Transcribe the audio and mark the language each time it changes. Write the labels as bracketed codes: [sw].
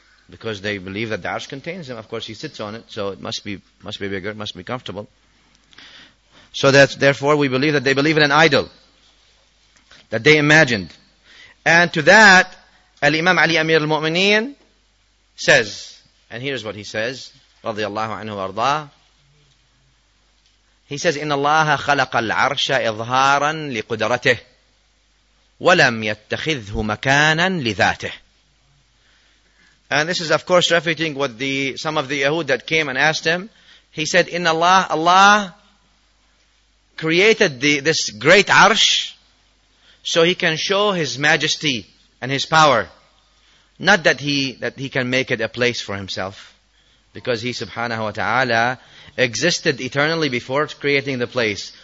[en] Because they believe that the Arsh contains Him. Of course, He sits on it, so it must be bigger, must be comfortable. So that therefore, we believe that they believe in an idol that they imagined. And to that, Al-Imam Ali Amir al-Mu'mineen says, and here's what he says, [ar] رضي الله عنه وارضاه. [en] He says, [ar] إن الله خلق العرش إظهارا لقدرته ولم يتخذه مكانا لذاته. [en] And this is of course refuting what some of the Yahud that came and asked him. He said, [ar] إن الله, [en] Allah created this great arsh so He can show His majesty and His power. Not that he can make it a place for Himself. Because He subhanahu wa ta'ala existed eternally before creating the place.